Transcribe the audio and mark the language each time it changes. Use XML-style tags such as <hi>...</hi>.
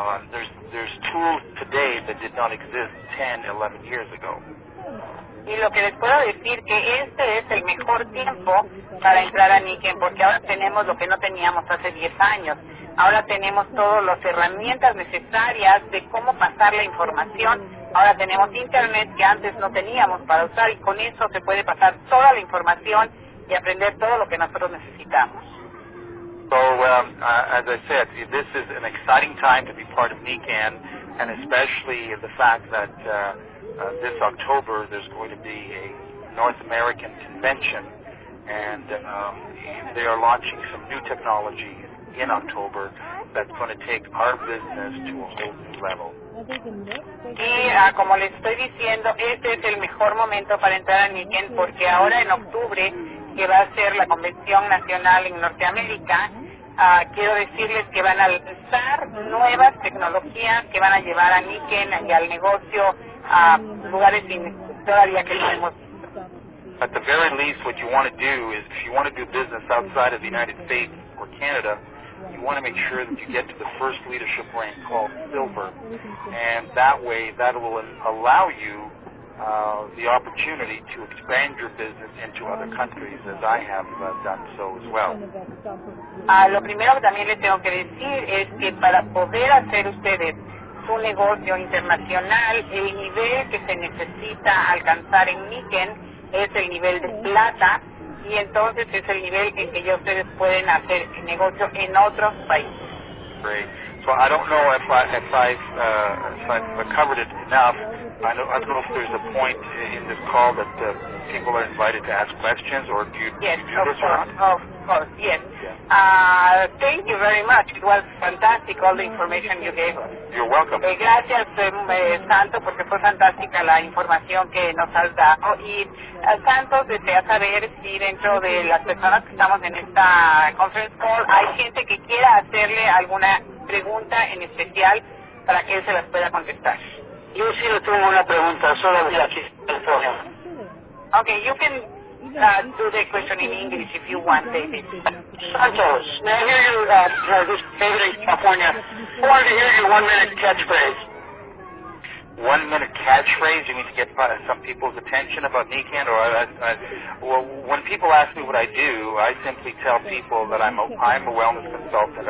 <en>There's tools today that did not exist 10, 11 years ago.</en> <es>Y lo que les puedo decir que este es el mejor tiempo para entrar a Niken, porque ahora tenemos lo que no teníamos hace 10 años. Ahora tenemos todas las herramientas necesarias de cómo pasar la información. Ahora tenemos internet que antes no teníamos para usar, y con eso se puede pasar toda la información y aprender todo lo que nosotros necesitamos.</es> <en>So, as I said, this is an exciting time to be part of Niken, and especially the fact that this October there's going to be a North American convention, and they are launching some new technology in October that's going to take our business to a whole new level.</en> <es>Y como les estoy diciendo, este es el mejor momento para entrar a Niken, porque ahora en octubre, que va a ser la convención nacional en Norteamérica, quiero decirles que van a lanzar nuevas tecnologías que van a llevar a Niken y al negocio a lugares todavía que no hemos visto.</es> <en>At the very least, what you want to do is, if you want to do business outside of the United States or Canada, you want to make sure that you get to the first leadership rank called Silver. And that way, that will allow you the opportunity to expand your business into other countries, as I have done so as well.</en> <es>Lo primero que también les tengo que decir es que para poder hacer ustedes su negocio internacional, el nivel que se necesita alcanzar en Niken es el nivel de plata, y entonces es el nivel en que ya ustedes pueden hacer negocio en otros países.</es> <en>Great. So I don't know if I've covered it enough. I don't know if there's a point in this call that people are invited to ask questions, or do you do this or not? Of course, yes. Thank you very much. It was fantastic, all the information you gave us. You're welcome.</en> <es>Gracias, Santo, porque fue fantástica la información que nos has dado. Y Santo, desea saber si dentro de las personas que estamos en esta conference call hay gente que quiera hacerle alguna pregunta en especial para que él se las pueda contestar. Yo sí le tengo una pregunta, solo de aquí.</es> <en>Okay, you can do the question in English if you want, David. Santos, may I hear you, this is David in California. I wanted to hear your one-minute catchphrase. One-minute catchphrase? You need to get some people's attention about NECAN? Well, when people ask me what I do, I simply tell people that I'm a wellness consultant.</en>